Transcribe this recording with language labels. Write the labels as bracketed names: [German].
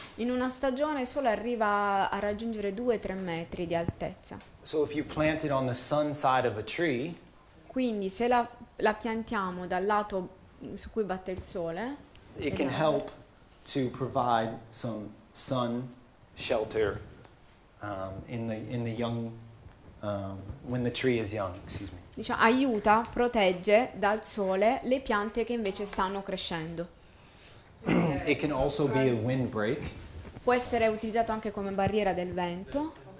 [Italian] In una stagione solo arriva a raggiungere 2-3 metri di altezza. [English] So if you plant it on the sun side of a tree, [Italian] quindi se la piantiamo dal lato su cui batte il sole, [English] it can help to provide some sun shelter in the young when the tree is young, excuse me. [Italian] Diciamo, aiuta, protegge dal sole le piante che invece stanno crescendo. [English] It can also be a windbreak. [Italian] Può essere utilizzato anche come barriera del vento.